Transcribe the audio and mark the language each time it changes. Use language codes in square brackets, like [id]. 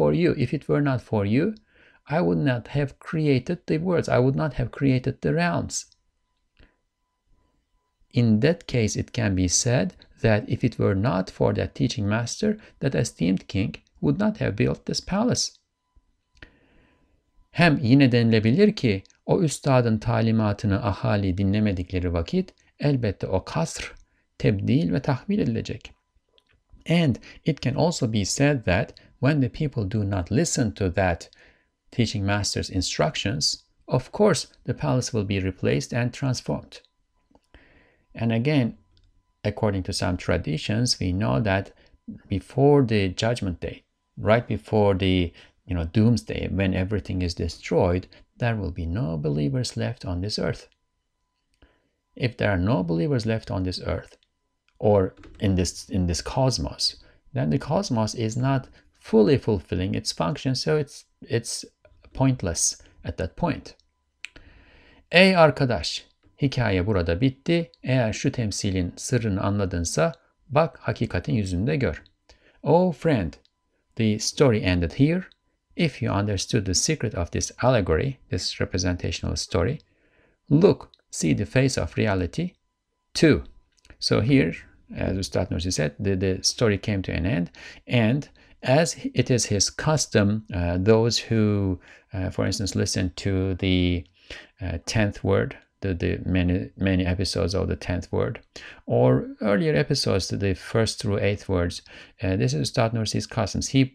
[en] If it were not for you, I would not have created the worlds. I would not have created the realms. In that case, it can be said that if it were not for that teaching master, that esteemed king would not have built this palace. [tr] Hem yine denilebilir ki, o üstadın talimatını ahali dinlemedikleri vakit, elbette o kasr tebdil ve tahvil edilecek. [en] And it can also be said that when the people do not listen to that teaching master's instructions, of course the palace will be replaced and transformed. And again, according to some traditions, we know that before the judgment day, right before the doomsday, when everything is destroyed, there will be no believers left on this earth. If there are no believers left on this earth, or in this cosmos, then the cosmos is not fully fulfilling its function, so it's pointless at that point. [tr] Ey arkadaş, hikaye burada bitti. Eğer şu temsilin sırrını anladınsa, bak hakikatin yüzünde gör. [en] Oh friend, the story ended here. If you understood the secret of this allegory, this representational story, look, see the face of reality too. So here, as Ustad Nursi said, the story came to an end. And as it is his custom, those who, for instance, listen to the 10th word, the many episodes of the 10th word, or earlier episodes, the first through 8th words, this is Ustad Nursi's customs.